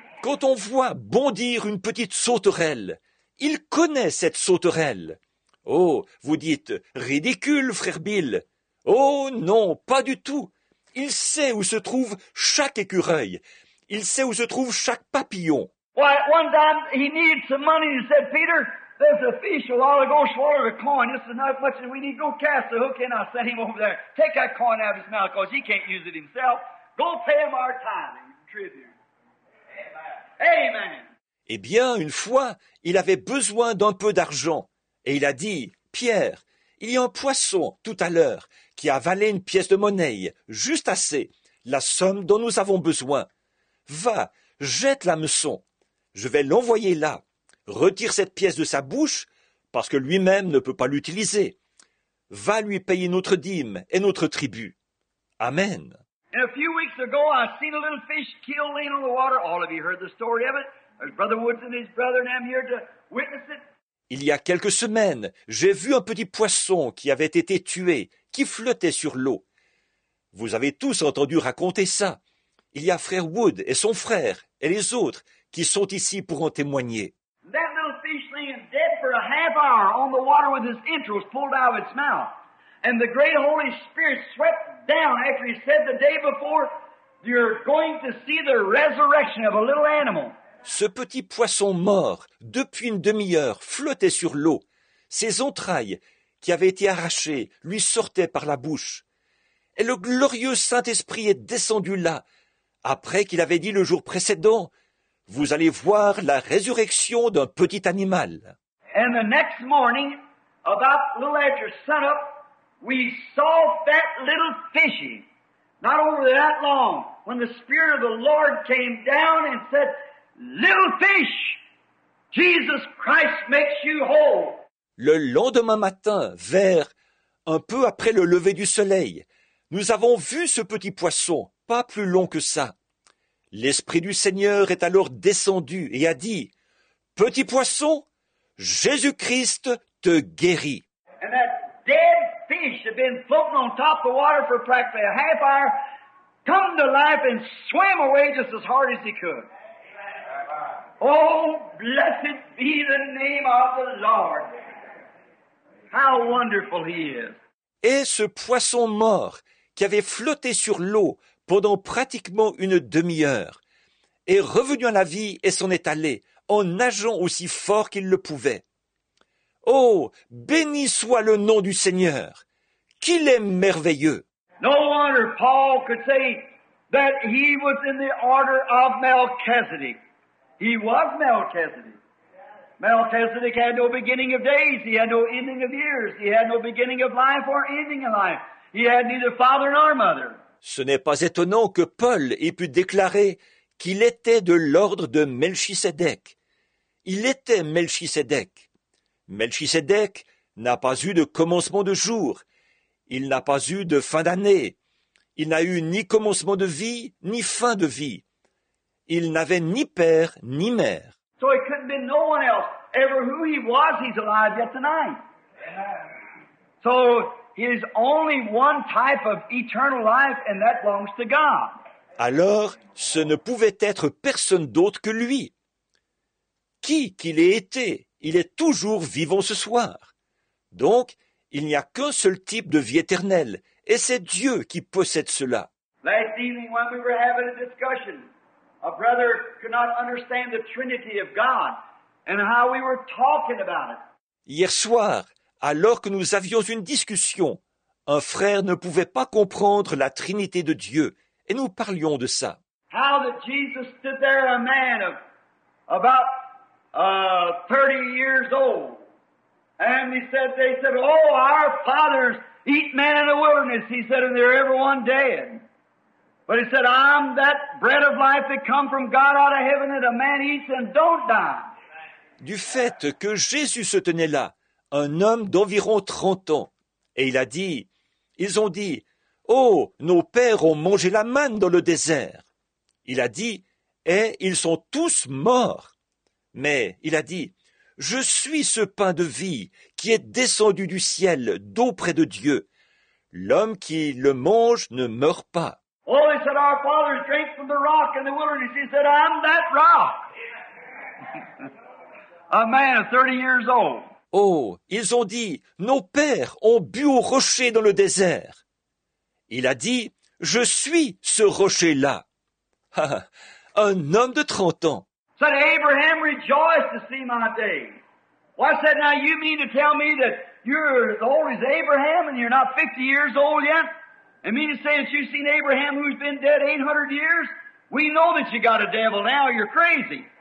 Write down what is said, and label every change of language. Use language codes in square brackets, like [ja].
[fr] Quand on voit bondir une petite sauterelle, il connaît cette sauterelle. Oh, vous dites, ridicule, frère Bill. Oh, non, pas du tout. Il sait où se trouve chaque écureuil. Il sait où se trouve chaque papillon. [en] Why, one time, he needed some money, he said, Peter, there's a fish a while ago swallowed a coin. This is not much, and we need to go cast the hook in. I sent him over there. Take that coin out of his mouth, because he can't use it himself. Go pay him our tithe and tribute. Amen. Amen. [fr] Eh bien, une fois, il avait besoin d'un peu d'argent. Et il a dit, « Pierre, il y a un poisson, tout à l'heure, qui a avalé une pièce de monnaie, juste assez, la somme dont nous avons besoin. Va, jette la meçon. Je vais l'envoyer là. Retire cette pièce de sa bouche, parce que lui-même ne peut pas l'utiliser. Va lui payer notre dîme et notre tribut. Amen. » [en] A few weeks ago, I seen a little fish killed laying on the water. All of you heard the story of it. There's Brother Woods and his brother, and I'm here to witness it. [fr] Il y a quelques semaines, j'ai vu un petit poisson qui avait été tué, qui flottait sur l'eau. Vous avez tous entendu raconter ça. Il y a frère Wood et son frère et les autres qui sont ici pour en témoigner. [en] That little fish lay dead for a half hour on the water with his entrails pulled out of its mouth. And the great Holy Spirit swept down after he said the day before, you're going to see the resurrection of a little animal. [fr] Ce petit poisson mort, depuis une demi-heure, flottait sur l'eau. Ses entrailles, qui avaient été arrachées, lui sortaient par la bouche. Et le glorieux Saint-Esprit est descendu là, après qu'il avait dit le jour précédent, « Vous allez voir la résurrection d'un petit animal. » [en] And the next morning, about a little after sun up, we saw that little fishy, not over that long, when the Spirit of the Lord came down and said, Little fish, Jesus Christ makes you whole. [fr] Le lendemain matin, vers un peu après le lever du soleil, nous avons vu ce petit poisson, pas plus long que ça. L'Esprit du Seigneur est alors descendu et a dit, « Petit poisson, Jésus-Christ te guérit. » [en] And that dead fish had been floating on top of the water for practically a half hour, come to life and swam away just as hard as he could. Oh, blessed be the name of the Lord. How wonderful he is. [fr] Et ce poisson mort qui avait flotté sur l'eau pendant pratiquement une demi-heure est revenu à la vie et s'en est allé en nageant aussi fort qu'il le pouvait. Oh, béni soit le nom du Seigneur, qu'il est merveilleux. [en] No wonder Paul could say that he was in the order of Melchizedek. He was Melchizedek. Melchizedek had no beginning of days. He had no ending of years. He had no beginning of life or ending of life. He had neither father nor mother. [fr] Ce n'est pas étonnant que Paul ait pu déclarer qu'il était de l'ordre de Melchisédek. Il était Melchisédek. Melchisédek n'a pas eu de commencement de jour. Il n'a pas eu de fin d'année. Il n'a eu ni commencement de vie, ni fin de vie. Il n'avait ni père, ni mère. [en] So it couldn't be no one else. Ever who he was, he's alive yet tonight. So he's only one type of eternal life, and that belongs to God. [fr] Alors, ce ne pouvait être personne d'autre que lui. Qui qu'il ait été, il est toujours vivant ce soir. Donc, il n'y a qu'un seul type de vie éternelle, et c'est Dieu qui possède cela. [en] Last evening, when we were having a discussion, a brother could not understand the Trinity of God and how we were talking about it. [fr] Hier soir, alors que nous avions une discussion, un frère ne pouvait pas comprendre la Trinité de Dieu. Et nous parlions de ça. [en] How that Jesus stood there, a man of about 30 years old, and they said, oh, our fathers eat man in the wilderness. He said, and they're everyone dead. But he said, I'm that bread of life that come from God out of heaven that a man eats and don't die. [fr] Du fait que Jésus se tenait là, un homme d'environ 30 ans, et il a dit, ils ont dit, « Oh, nos pères ont mangé la manne dans le désert !» Il a dit, « Eh, ils sont tous morts !» Mais il a dit, « Je suis ce pain de vie qui est descendu du ciel d'auprès de Dieu. L'homme qui le mange ne meurt pas. » [en] Oh, they said, our fathers drank from the rock in the wilderness. He said, I'm that rock. A man of 30 years old. [fr] Oh, ils ont dit, « Nos pères ont bu au rocher dans le désert. » Il a dit, « Je suis ce rocher-là. » Un homme de 30 ans. [en] Said Abraham, rejoice to see my day. Well, I said, now you mean to tell me that you're as old as Abraham and you're not 50 years old yet? And mean to say that you've seen Abraham who's been dead 800 years? We know that you got a devil now, you're crazy.